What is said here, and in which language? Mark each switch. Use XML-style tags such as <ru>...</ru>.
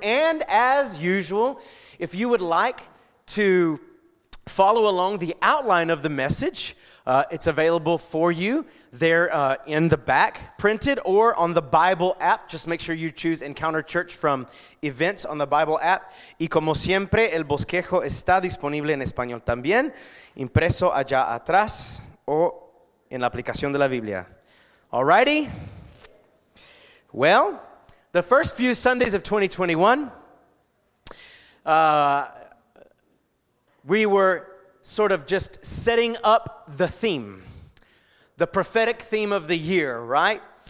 <en>And as usual, if you would like to follow along the outline of the message, it's available for you there in the back printed or on the Bible app. Just make sure you choose Encounter Church from events on the Bible app.</en> <es>Y como siempre, el bosquejo está disponible en español también, impreso allá atrás o en la aplicación de la Biblia.</es> <en>Alrighty. Well, the first few Sundays of 2021, we were sort of just setting up the theme, the prophetic theme of the year, right?</en>